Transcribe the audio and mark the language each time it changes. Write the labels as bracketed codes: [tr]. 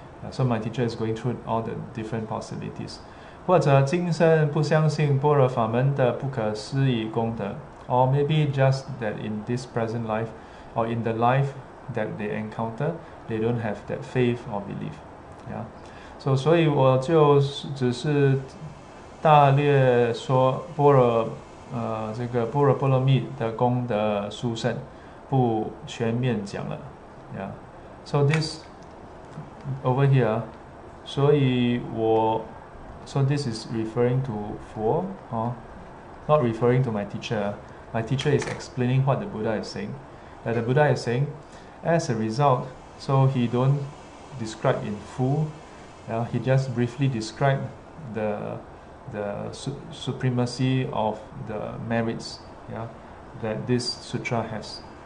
[en] So my teacher is going through all the different possibilities. [zh] 或者今生不相信般若法门的不可思议功德, [en] or maybe just that in this present life, or in the life that they encounter, they don't have that faith or belief. Yeah. [zh] So, 所以我就只是大略说般若波罗蜜的功德殊胜，不全面讲了. [en] Yeah. So this over here, [zh] 所以我, [en] so this is referring to Phu, not referring to my teacher. My teacher is explaining what the Buddha is saying. That the Buddha is saying, as a result, so he don't describe in full, yeah, he just briefly described the supremacy of the merits, yeah, that this sutra has.